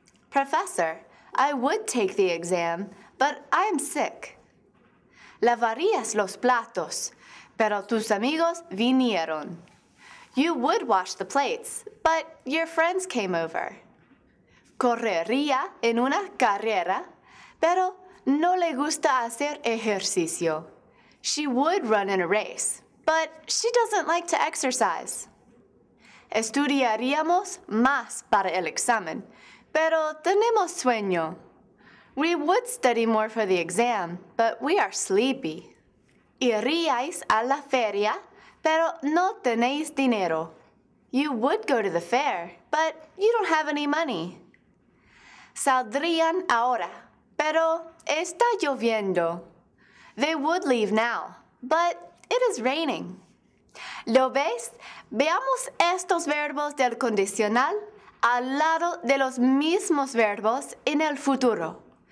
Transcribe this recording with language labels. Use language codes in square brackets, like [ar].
[en] Professor, I would take the exam, but I'm sick. [es] Lavarías los platos, pero tus amigos vinieron. [en] You would wash the plates, but your friends came over. [es] Correría en una carrera, pero no le gusta hacer ejercicio. [en] She would run in a race, but she doesn't like to exercise. [es] Estudiaríamos más para el examen, pero tenemos sueño. [en] We would study more for the exam, but we are sleepy. [es] Iríais a la feria, pero no tenéis dinero. [en] You would go to the fair, but you don't have any money. [es] Saldrían ahora, pero está lloviendo. [en] They would leave now, but it is raining. [es] ¿Lo ves? Veamos estos verbos del condicional al lado de los mismos verbos en el futuro.